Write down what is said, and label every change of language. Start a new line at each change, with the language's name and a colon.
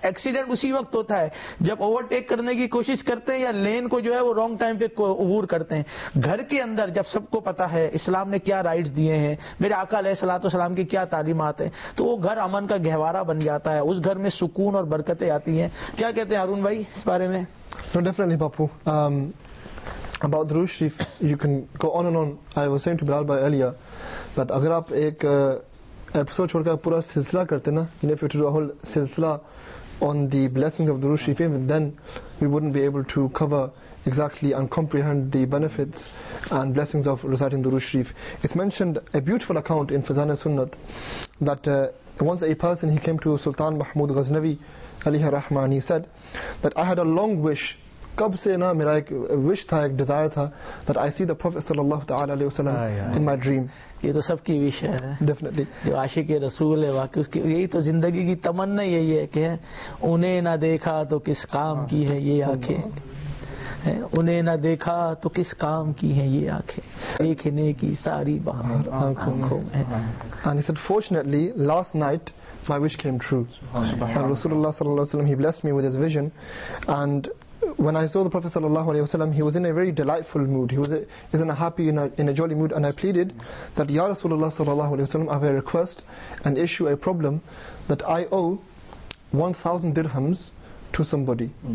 Urdu: Accident اسی وقت ہوتا ہے جب اوور ٹیک کرنے کی کوشش کرتے ہیں, یا لین کو جو ہے وہ رانگ ٹائم پہ عبور کرتے ہیں. گھر کے اندر جب سب کو پتا ہے اسلام نے کیا رائٹس دیے ہیں, میرے آقا علیہ الصلوۃ والسلام کی کیا تعلیمات ہیں, تو وہ گھر امن کا گہوارہ بن جاتا ہے, اس گھر میں سکون اور برکتیں آتی ہیں. کیا کہتے ہیں ہارون بھائی اس بارے میں؟
English: So definitely, Papu. About Durood Sharif, you can go on and on. I was saying to Bilal bhai earlier that
Urdu: agar aap ek episode chhod kar pura silsila karte na,
English: you know, if you were to do a whole silsila on the blessings of Durood Sharif, then we wouldn't be able to cover exactly and comprehend the benefits and blessings of reciting Durood Sharif. It's mentioned a beautiful account in Fazana Sunnat that once a person, he came to Sultan Mahmud Ghaznavi alayhi rahmah, and he said that I had a long wish.
Urdu: کب سے نا میرا ایک وش تھا, ایک Dzire تھا,
English: that I see the prophet
Urdu: صلی اللہ تعالی علیہ وسلم
English: In my dream.
Urdu: یہ تو سب کی وش ہے,
English: definitely
Urdu: جو عاشق رسول ہے, واقعی اس کی یہی تو زندگی کی تمنا یہی ہے کہ انہیں نہ دیکھا تو کس کام کی ہے یہ آنکھیں, انہیں نہ دیکھا تو کس کام کی ہیں یہ آنکھیں, دیکھنے کی ساری باہر آنکھوں میں.
English: And fortunately last night my wish came true, رسول اللہ صلی اللہ علیہ وسلم he blessed me with his vision. And When I saw the Prophet sallallahu alaihi wasallam, he was in a very delightful mood. He was in a happy, in a jolly mood, and I pleaded that Ya Rasulullah sallallahu alaihi wasallam, I have a request, an issue, a problem, that I owe 1,000 dirhams to somebody.